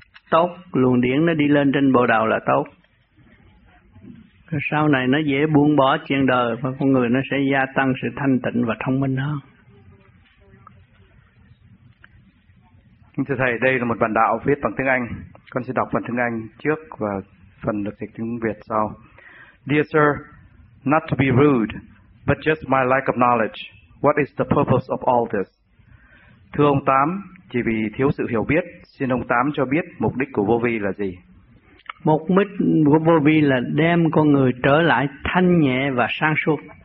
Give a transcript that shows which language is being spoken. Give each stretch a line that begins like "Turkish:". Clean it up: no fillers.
Vietnamese: Tốt, luồng điển nó đi lên trên bộ đầu là tốt. Rồi sau này nó dễ buông bỏ chuyện đời và con người nó sẽ gia tăng sự thanh tịnh và thông minh hơn. Thưa Thầy, đây là một bản đạo viết bằng tiếng Anh. Con sẽ đọc phần tiếng Anh trước và phần được dịch tiếng Việt sau.
English: Dear sir, not to be rude, but just my lack of knowledge. What is the purpose of all this?
Vietnamese: Thưa ông Tám, chỉ vì thiếu sự hiểu biết, xin ông Tám cho biết mục đích của vô vi là gì? Mục đích của vô vi là đem con người trở lại thanh nhẹ và sáng suốt.